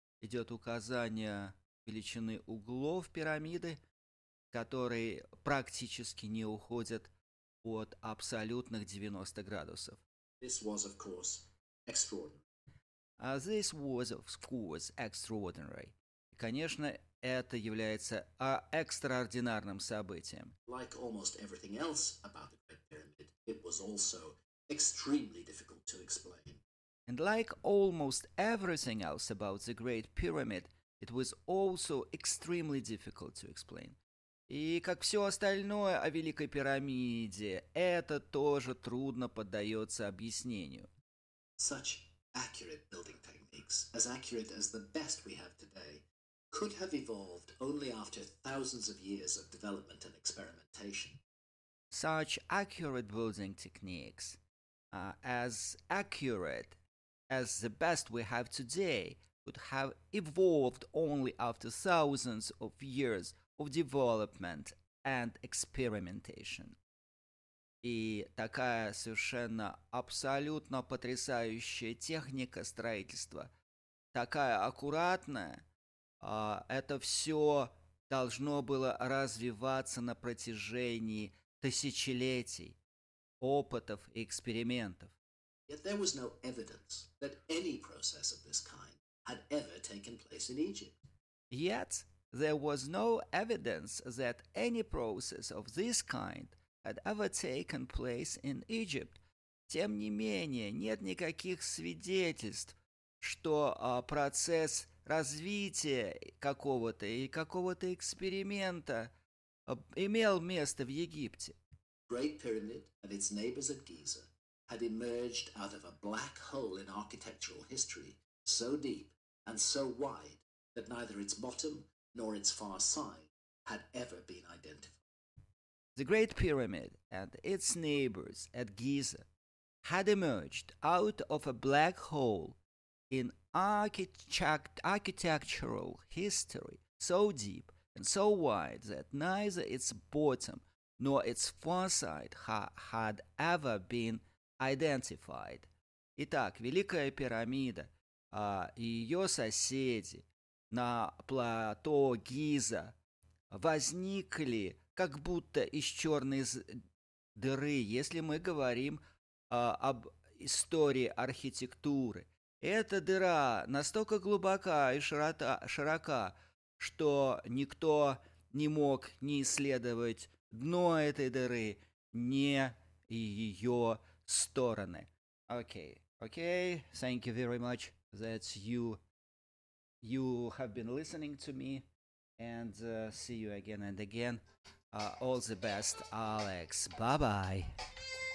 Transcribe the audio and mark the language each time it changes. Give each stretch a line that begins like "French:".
Russian: Идет указание величины углов пирамиды, которые практически не уходят от абсолютных 90 градусов.
English: This was, of course, extraordinary. This was, of course, extraordinary.
Russian: И, конечно, это является экстраординарным событием.
English: Like almost everything else about the Great Pyramid, it was also extremely difficult to explain. And like almost everything else about the Great Pyramid, it was also extremely difficult to explain.
Russian: И как все остальное о Великой Пирамиде, это тоже трудно поддается объяснению.
English: Such accurate building techniques, as accurate as the best we have today, could have evolved only after thousands of years of development and experimentation. Such accurate building techniques, as accurate as the best we have today, could have evolved only after thousands of years of development and experimentation.
Russian: И такая совершенно абсолютно потрясающая техника строительства, такая аккуратная, это все должно было развиваться на протяжении тысячелетий опытов и экспериментов.
English: Yet there was no evidence that any process of this kind had ever taken place in Egypt. Yet there was no evidence that any process of this kind had ever taken place in Egypt.
Russian: Тем не менее, нет никаких свидетельств, что процесс развития какого-то и какого-то эксперимента имел место в Египте.
English: Great Pyramid and its neighbors at Giza had emerged out of a black hole in architectural history so deep and so wide that neither its bottom nor its far side had ever been identified. The Great Pyramid and its neighbors at Giza had emerged out of a black hole in architectural history so deep and so wide that neither its bottom nor its far side had ever been identified.
Russian: Итак, Великая Пирамида и ее соседи на плато Гиза возникли как будто из черной дыры, если мы говорим об истории архитектуры. Эта дыра настолько глубока и широка, что никто не мог не исследовать дно этой дыры, не ее стороны.
English: Okay, okay, thank you very much. That's you. You have been listening to me, and see you again and again. All the best, Alex. Bye-bye.